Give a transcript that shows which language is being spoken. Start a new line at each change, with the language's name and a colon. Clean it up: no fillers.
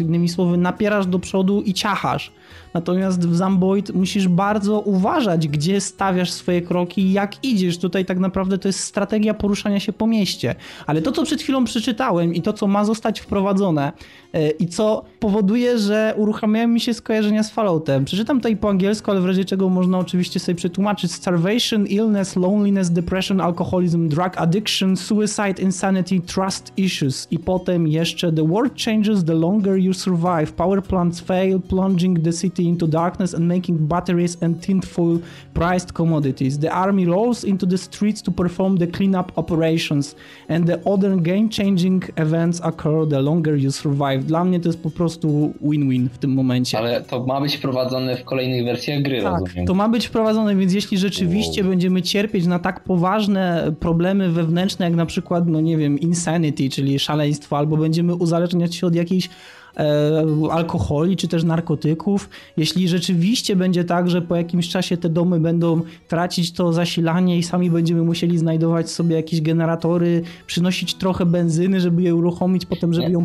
Polish: Innymi słowy, napierasz do przodu i ciachasz. Natomiast w Zomboid musisz bardzo uważać, gdzie stawiasz swoje kroki i jak idziesz. Tutaj tak naprawdę to jest strategia poruszania się po mieście. Ale to, co przed chwilą przeczytałem i to, co ma zostać wprowadzone i co powoduje, że uruchamiają mi się skojarzenia z Falloutem. Przeczytam tutaj po angielsku, ale w razie czego można oczywiście sobie przetłumaczyć.
English: Starvation, illness, loneliness, depression, alcoholism, drug addiction, suicide, insanity, trust issues.
Polish: I potem jeszcze
English: the world changes the longer you survive. Power plants fail, plunging the city into darkness and making batteries and tinfoil prized commodities. The army rolls into the streets to perform the cleanup operations and the other game-changing events occur the longer you survive.
Polish: Dla mnie to jest po prostu win-win w tym momencie. Ale to ma być wprowadzone w kolejnych wersjach gry, tak, rozumiem. Tak, to ma być wprowadzone, więc jeśli rzeczywiście będziemy cierpieć na tak poważne problemy wewnętrzne, jak na przykład, no nie wiem, insanity, czyli szaleństwo, albo będziemy uzależniać się od jakiejś alkoholi czy też narkotyków, jeśli rzeczywiście będzie tak, że po jakimś czasie te domy będą tracić to zasilanie i sami będziemy musieli znajdować sobie jakieś generatory, przynosić trochę benzyny, żeby je uruchomić, potem żeby